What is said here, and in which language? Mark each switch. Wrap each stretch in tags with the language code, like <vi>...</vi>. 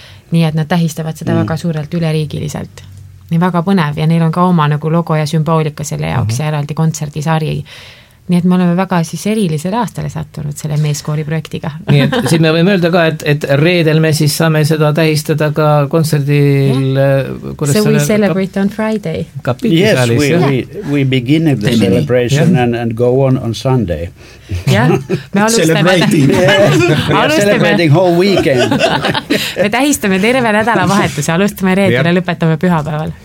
<et>Nii et nad tähistavad seda väga suurelt üleriigiliselt. Nii väga põnev ja neil on ka oma nagu logo ja sümboolika selle jaoks ja eraldi kontsertisari. Nii et me oleme väga siis erilisele aastale sattunud selle meeskoori projektiga. Nii et siin me võime öelda ka, et reedel me siis saame seda tähistada ka kontserdil.</et> <en>Yeah. So we celebrate on Friday. Yes, we begin the celebration and go on Sunday.</en> <et>Yeah, me alustame.</et> <en>Celebrating whole weekend.</en> <et>Me tähistame terve nädala vahetuse, alustame reedel ja lõpetame pühapäeval.</et>